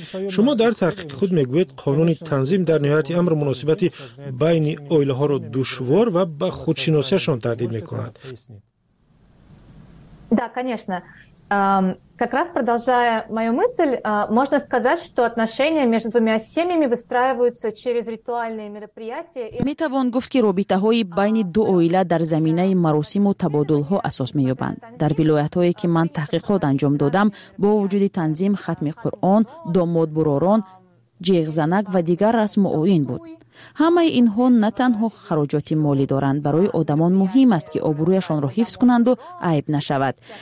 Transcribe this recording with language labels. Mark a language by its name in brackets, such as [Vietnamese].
[Tajik] Шумо дар таҳқиқи худ мегӯед, қонуни танзим дар ниҳояти амр муносибати байни оилаҳоро душвор ва ба худшиносиашон таҳдид мекунад. [Russian] Да, конечно. Как раз продолжая мою мысль, можно сказать, что отношения между двумя семьями выстраиваются через ритуальные мероприятия. [Tajik] Метавон гуфт, ки робитаҳои байни ду оила дар заминаи маросиму табодулҳо асос меёбанд. Дар вилоятҳое, ки ман таҳқиқот анҷом додам, бо вуҷуди танзим, хатми Қуръон, домод буророн, ҷиғзанак ва дигар расму оин буд. [Persian] همه اینها نه تنها خراجات مالی دارند، برای آدمان مهم است که آبرویشان را حفظ کنند و عیب نشود.